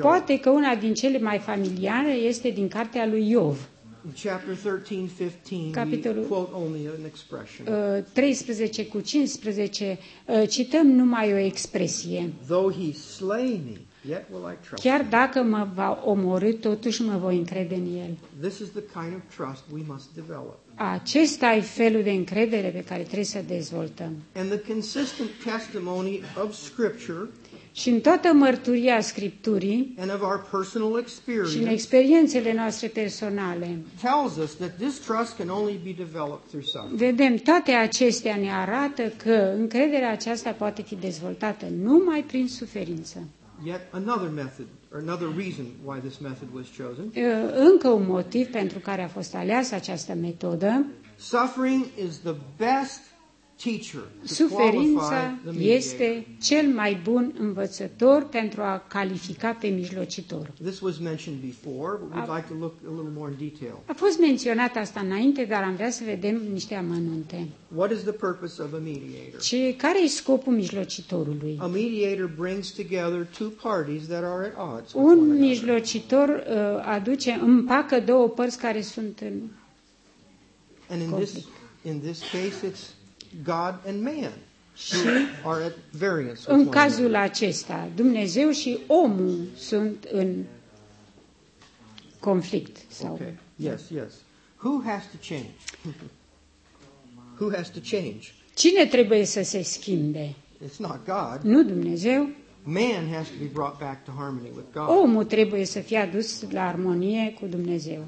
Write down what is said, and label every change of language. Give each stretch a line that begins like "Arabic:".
Romanian: Poate că una din cele mai familiare este din cartea lui Iov.
English: In chapter 13:15,
Romanian: capitolul,
English: we quote only an expression.
Romanian: 13 cu 15 cităm numai o expresie.
English: Though he slay me, yet will I trust.
Romanian: Chiar dacă mă va omorî, totuși mă voi încrede în el.
English: This is the kind of trust we must develop.
Romanian: Acesta e felul de încredere pe care trebuie să dezvoltăm.
English: And the consistent testimony of scripture,
Romanian: și în toată mărturia Scripturii,
English: and of our personal experience,
Romanian: și în experiențele noastre personale,
English: tells us that this trust can only be developed through suffering.
Romanian: Vedem, toate acestea ne arată că încrederea aceasta poate fi dezvoltată numai prin suferință.
English: Yet another method, or another reason why this method was chosen.
Romanian: Încă un motiv pentru care a fost aleasă această metodă.
English: Suffering is the best teacher.
Romanian: Suferința este cel mai bun învățător pentru a califica pe mijlocitor.
English: This was mentioned before, but we'd like to look a little more in detail.
Romanian: A fost menționat asta înainte, dar am vrea să vedem niște amănunte.
English: What is the purpose of a mediator?
Romanian: Ce, care e scopul mijlocitorului?
English: A mediator brings together two parties that are at odds.
Romanian: Un mijlocitor aduce, împacă două părți care sunt în conflict.
English: And in this case it's God and man.
Romanian: și
English: are at variance with
Romanian: în cazul acesta, Dumnezeu și omul sunt în conflict sau
English: okay. Yes, yes. Who has to change? Who has to change?
Romanian: Cine trebuie să se schimbe?
English: It's not God.
Romanian: Nu Dumnezeu.
English: Man has to be brought back to harmony with God.
Romanian: Omul trebuie să fie adus la armonie cu Dumnezeu.